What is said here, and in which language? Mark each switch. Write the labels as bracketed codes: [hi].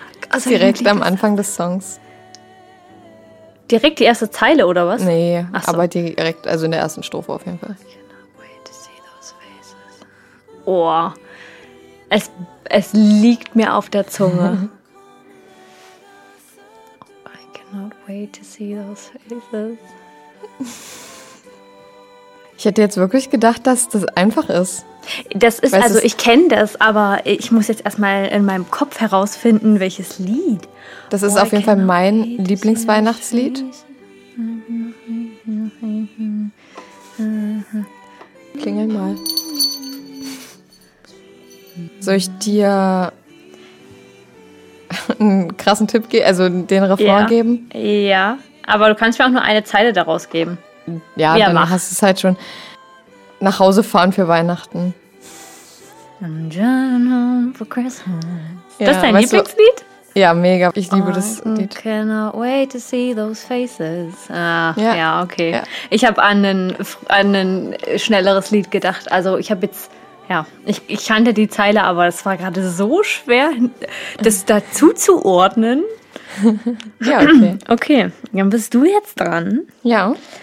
[de] Also direkt am Anfang des Songs. Direkt die erste Zeile, oder was? Nee, ach so. Aber direkt, also in der ersten Strophe auf jeden Fall. [en] I cannot wait to see those faces. [de] Oh, es liegt mir auf der Zunge. [en] I cannot wait to see those faces. [de] Ich hätte jetzt wirklich gedacht, dass das einfach ist. Das ist, also ich kenne das, aber ich muss jetzt erstmal in meinem Kopf herausfinden, welches Lied. Das ist auf jeden Fall mein Lieblingsweihnachtslied. Klingel mal. Soll ich dir einen krassen Tipp geben, also den Refrain geben? Ja, aber du kannst mir auch nur eine Zeile daraus geben. Ja, dann hast du es halt schon. Nach Hause fahren für Weihnachten. [en] I'm driving home for Christmas. [de] Das ist dein Lieblingslied? Du? Ja, mega. Ich liebe das Lied. [en] I cannot wait to see those faces. [de] Okay. Ja. Ich habe an ein schnelleres Lied gedacht. Also ich habe jetzt... Ja, ich kannte die Zeile, aber es war gerade so schwer, das dazu zu ordnen. Ja, okay. Okay, dann bist du jetzt dran. Ja.